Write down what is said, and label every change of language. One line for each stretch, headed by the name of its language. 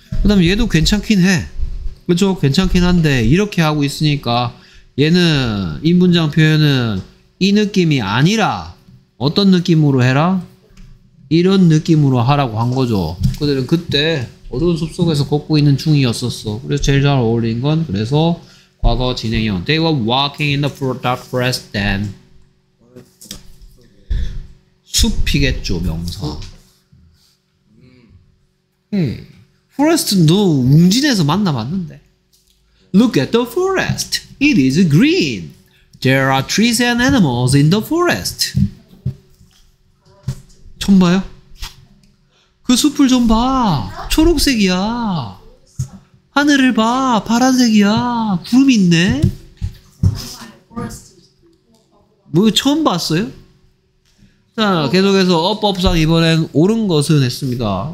Korean: 그 다음에 얘도 괜찮긴 해. 그렇죠? 괜찮긴 한데 이렇게 하고 있으니까 얘는 이 문장 표현은 이 느낌이 아니라 어떤 느낌으로 해라? 이런 느낌으로 하라고 한 거죠. 그들은 그때 어두운 숲 속에서 걷고 있는 중이었었어. 그래서 제일 잘 어울린 건 그래서 과거 진행형.
English: They were walking in the dark forest then.
Korean: 숲이겠죠, 명사. Forest도 웅진에서 만나봤는데.
English: Look at the forest. It is green. There are trees and animals in the forest.
Korean: 좀 봐요. 그 숲을 좀 봐. 초록색이야. 하늘을 봐. 파란색이야. 구름이 있네. 뭐 처음 봤어요? 자, 계속해서 up, up상 이번엔 옳은 것은 했습니다.